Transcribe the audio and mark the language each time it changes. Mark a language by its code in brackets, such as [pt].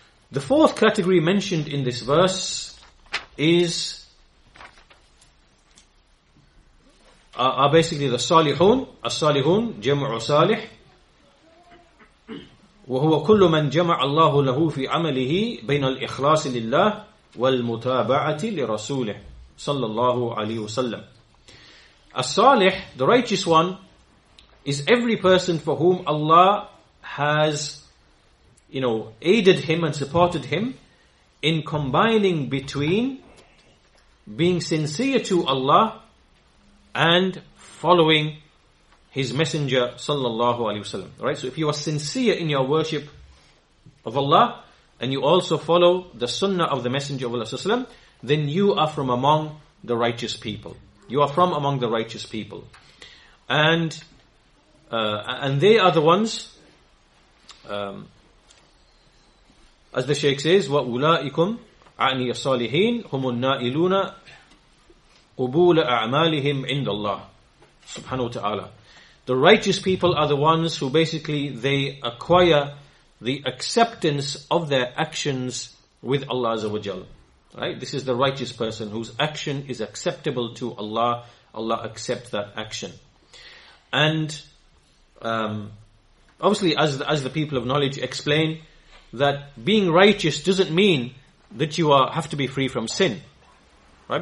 [en] The fourth category mentioned in this verse is are basically the salihun, as-salihun, [ar] jam'u salih, وهو كل من جمع الله له في عمله بين الإخلاص لله والمتابعة لرسوله صلى الله عليه وسلم. [en] الصالح, the righteous one, is every person for whom Allah has, you know, aided him and supported him in combining between being sincere to Allah and following His Messenger sallallahu alayhi wa sallam. Right? So if you are sincere in your worship of Allah and you also follow the sunnah of the Messenger of Allah sallallahu alayhi wa sallam, then you are from among the righteous people. You are from among the righteous people. And they are the ones, as the Shaykh says, [ar] وَأُولَٰئِكُمْ عَنِيَ الصَّالِحِينَ هُمُ النَّائِلُونَ قُبُولَ أَعْمَالِهِمْ عِنْدَ اللَّهِ سُبْحَانَهُ وَتَعَالَى. [en] The righteous people are the ones who basically they acquire the acceptance of their actions with Allah Azza wa Jal. Right? This is the righteous person whose action is acceptable to Allah. Allah accepts that action. And obviously, as the people of knowledge explain, that being righteous doesn't mean that you have to be free from sin. Right?